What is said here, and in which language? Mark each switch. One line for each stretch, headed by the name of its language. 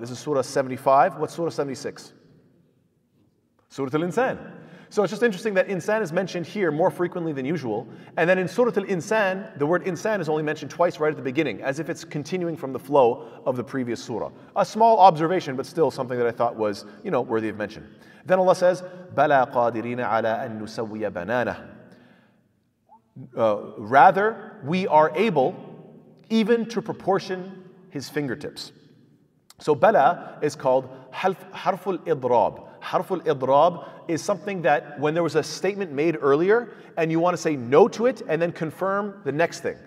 English: This is surah 75. What's surah 76? Surah al-insan. So it's just interesting that insan is mentioned here more frequently than usual, and then in surah al-insan, the word insan is only mentioned twice right at the beginning, as if it's continuing from the flow of the previous surah. A small observation, but still something that I thought was, you know, worthy of mention. Then Allah says,
Arabic: بَلَا قَادِرِينَ عَلَىٰ أَن نُسَوِّيَ بَنَانَهُ.
English: Rather, we are able even to proportion his fingertips. So بَلَا is called حَرْفُ الْإِضْرَابِ. Harf al-idrab is something that when there was a statement made earlier and you want to say no to it and then confirm the next thing.